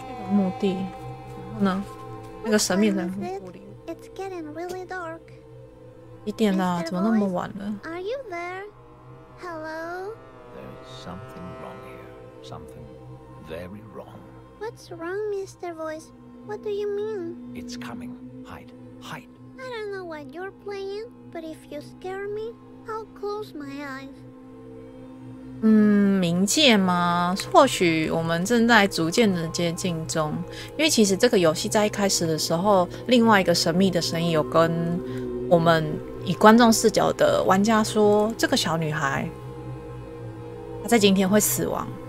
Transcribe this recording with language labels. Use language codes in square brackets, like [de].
[zh] 墓地，然后呢？那个神秘人墓地。 [en] It's getting really dark. [zh] 一点啦，怎么那么晚了 [en] ？Are you there? Hello. There's something wrong here. Something very wrong. What's wrong, Mr. Voice? What do you mean? It's coming. Hide, hide. I don't know what you're playing, but if you scare me, I'll close my eyes. [zh] 冥界吗？或许我们正在逐渐的接近中，因为其实这个游戏在一开始的时候，另外一个神秘的声音有跟我们以观众视角的玩家说，这个小女孩她在今天会死亡。